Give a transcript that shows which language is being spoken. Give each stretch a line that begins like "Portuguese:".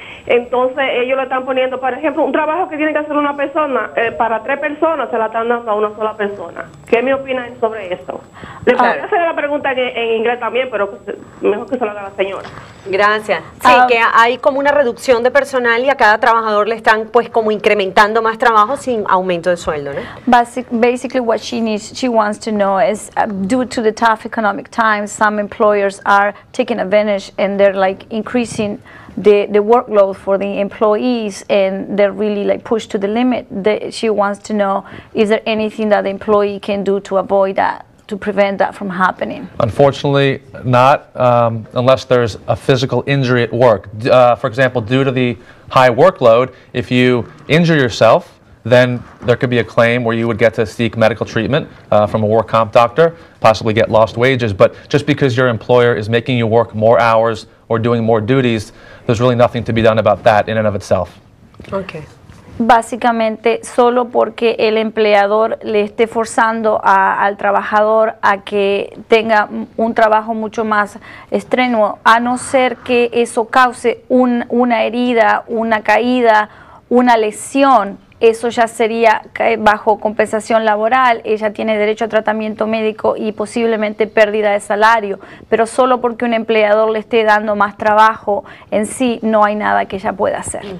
Spanish: Entonces ellos le están poniendo, por ejemplo, un trabajo que tiene que hacer una persona, para 3 personas se la están dando a una sola persona. ¿Qué me opina sobre esto? Le puedo hacer la pregunta en inglés también, pero mejor que se la haga la señora. Gracias. Sí, que hay como una reducción de personal y a cada trabajador le están pues como incrementando más trabajo sin aumento de sueldo, ¿no?
English: Basically what she wants to know is due to the tough economic times, some employers are taking advantage and they're like increasing the workload for the employees, and they're really like pushed to the limit. She wants to know, is there anything that the employee can do to avoid that, to prevent that from happening? Unfortunately, not unless there's a physical injury at work. For example, due to the high workload, if you injure yourself, then there could be a claim where you would get to seek medical treatment from a work comp doctor, possibly get lost wages. But just because your employer is making you work more hours or doing more duties, there's really nothing to be done about that in and of itself. Okay.
Spanish: Básicamente, solo porque el empleador le esté forzando al trabajador a que tenga un trabajo mucho más estrenuo, a no ser que eso cause una herida, una caída, una lesión, eso ya sería bajo compensación laboral, ella tiene derecho a tratamiento médico y posiblemente pérdida de salario, pero solo porque un empleador le esté dando más trabajo en sí, no hay nada que ella pueda hacer.